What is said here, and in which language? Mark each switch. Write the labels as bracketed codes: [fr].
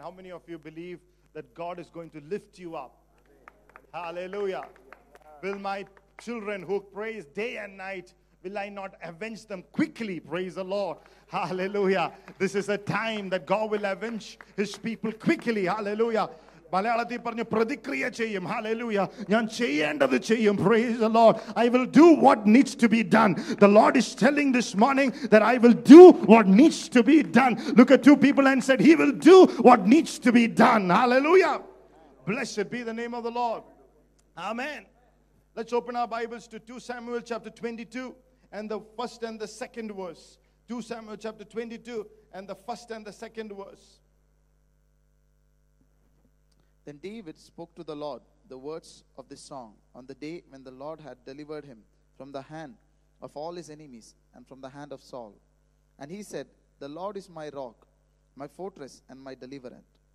[en] How many of you believe that God is going to lift you up? Hallelujah. Will my children who praise day and night, will I not avenge them quickly? Praise the Lord. Hallelujah. This is a time that God will avenge his people quickly. Hallelujah. [ml] മലയാളത്തിൽ പറഞ്ഞു പ്രതിക്രിയ ചെയ്യും. Hallelujah, ഞാൻ ചെയ്യേണ്ടത് ചെയ്യും. [en] Praise the Lord. I will do what needs to be done. The Lord is telling this morning that I will do what needs to be done. Look at two people and said he will do what needs to be done. Hallelujah. Blessed be the name of the Lord. Amen. Let's open our Bibles to 2 Samuel chapter 22 and the first and the second verse. 2 Samuel chapter 22 and the first and the second verse. Then David spoke to the Lord the words of this song on the day when the Lord had delivered him from the hand of all his enemies and from the hand of Saul. And he said, the Lord is my rock, my fortress, and my deliverance.